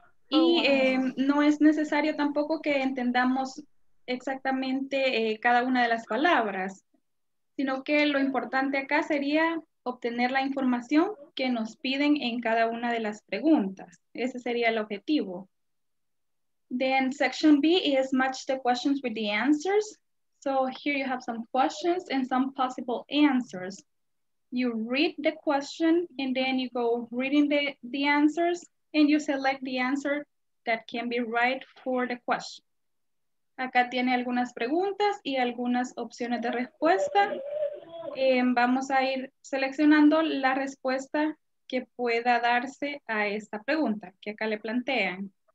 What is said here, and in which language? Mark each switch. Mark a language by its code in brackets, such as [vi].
[es] Y no es necesario tampoco que entendamos exactamente cada una de las palabras, sino que lo importante acá sería obtener la información que nos piden en cada una de las preguntas. Ese sería el objetivo. [en] Then section B is match the questions with the answers. So here you have some questions and some possible answers. You read the question and then you go reading the answers and you select the answer that can be right for the question. [es] Acá tiene algunas preguntas y algunas opciones de respuesta. Vamos a ir seleccionando la respuesta que pueda darse a esta pregunta que acá le plantean.